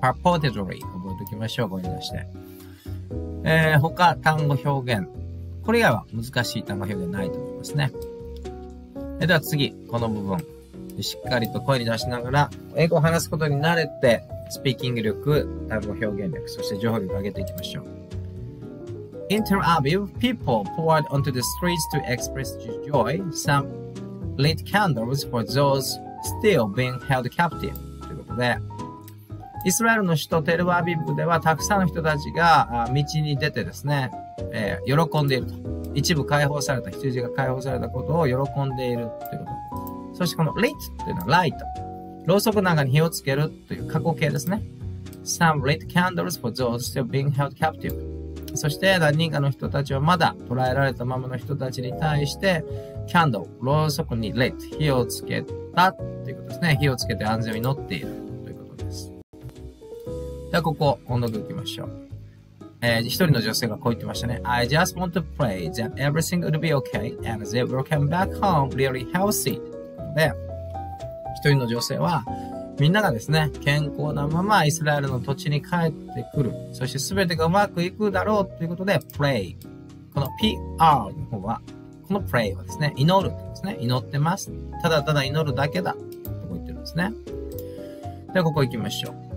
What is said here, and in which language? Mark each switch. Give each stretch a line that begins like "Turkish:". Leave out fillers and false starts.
Japanese: purportedly。 覚えておきましょう。声に出して。他、単語表現。これ以外は難しい単語表現ないと思いますね。では次、この部分。しっかりと声に出しながら、英語を話すことに慣れて、スピーキング力、単語表現力、そして情報力を上げていきましょう。
English: In Tel Aviv, people poured onto the streets to express joy. Some lit candles for those still being held captive.
Japanese: ということで、イスラエルの首都テルアビブではたくさんの人たちが道に出てですね、喜んでいると。一部解放された、羊が解放されたことを喜んでいるということ。そしてこの lit というのはライト。ろうそくなんかに火をつけるという過去形ですね。
English: Some lit candles for those still being held captive.
Japanese: そして何人かの人たちはまだ捕らえられたままの人たちに対してキャンドル、ろうそくにレッド、火をつけたということですね。火をつけて安全を祈っているということです。ではここ音読いきましょう。一人の女性がこう言ってましたね。
English: I just want to pray that everything will be okay and they will come back home really healthy.
Japanese: で、一人の女性はみんながですね、健康なままイスラエルの土地に帰ってくる。そして全てがうまくいくだろうということで、pray。この PR の方は、この pray はですね、祈るですね。祈ってます。ただただ祈るだけだ。と言ってるんですね。では、ここ行きましょう。